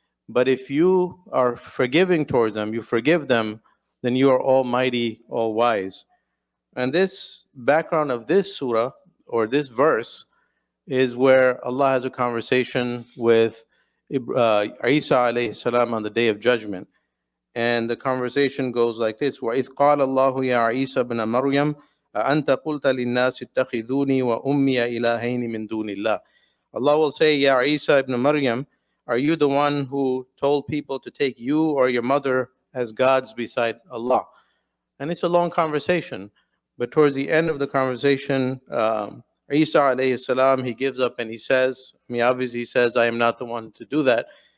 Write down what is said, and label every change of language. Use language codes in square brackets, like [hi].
[en] But if you are forgiving towards them, you forgive them, then you are almighty, all wise. And this background of this surah or this verse is where Allah has a conversation with Isa alayhi salam on the Day of Judgment. And the conversation goes like this, [ar] وَإِذْ قَالَ اللَّهُ يَا عِيسَى بْنَ مَرْيَمَ أَأَنْتَ قُلْتَ لِلنَّاسِ اتَّخِذُونِي وَأُمِّيَ إِلَهَيْنِ مِن دُونِ اللَّهِ. [en] Allah will say, Ya Isa ibn Maryam, are you the one who told people to take you or your mother as gods beside Allah? And it's a long conversation, but towards the end of the conversation, Isa alayhi salam, he gives up and he says, I am not the one to do that.